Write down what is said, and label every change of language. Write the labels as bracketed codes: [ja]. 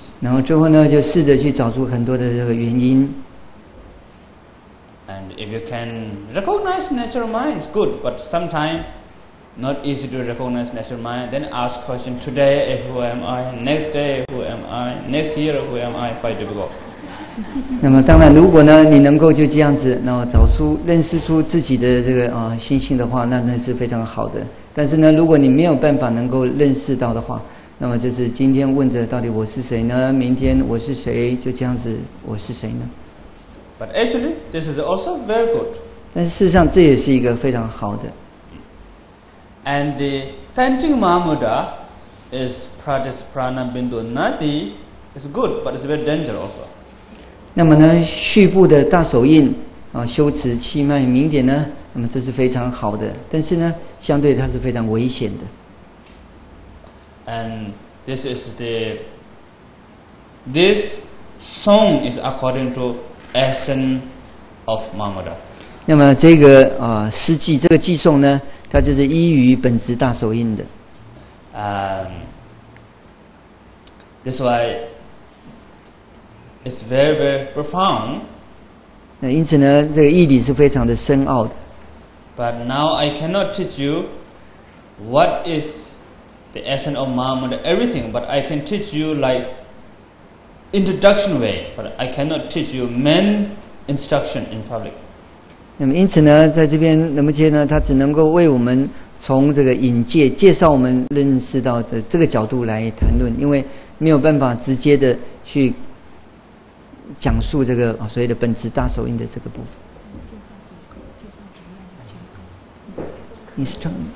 [zh] 然后之后呢，就试着去找出很多的这个原因。 [en] And if you can recognize natural mind, it's good. But sometimes not easy to recognize natural mind. Then ask question today: Who am I? Next day: Who am I? Next year: Who am I? 5 days ago。 [zh] 那么当然如果呢你能够就这样子然后找出认识出自己的这个心性的话，那那是非常好的。但是呢如果你没有办法能够认识到的话，那么就是今天问着到底我是谁呢，明天我是谁，就这样子我是谁呢。 [en] But actually this is also very good。 [zh] 但是事实上这也是一个非常好的。 [en] And the Tantric Mahamudra is practice prana bindu nadi is good but it's very dangerous also。 [zh] 那么呢，续部的大手印啊，修持气脉明点呢，那么这是非常好的，但是呢，相对它是非常危险的。 [en] And this is the this song is according to essence of Mahamudra。 [zh] 那么这个诗偈这个偈颂呢，它就是依于本质大手印的。 [en] This why。 It's very, very profound。 [zh] 那因此呢，这个义理是非常的深奥的。 [en] But now I cannot teach you what is the essence of Mahamudra, everything. But I can teach you like introduction way. But I cannot teach you main instruction in public。 [zh] 那么因此呢，在这边仁波切呢，他只能够为我们从这个引介介绍我们认识到的这个角度来谈论，因为没有办法直接的去。讲述这个所谓的本质大手印的这个部分。介绍结构，介绍怎么样的结构？你是正。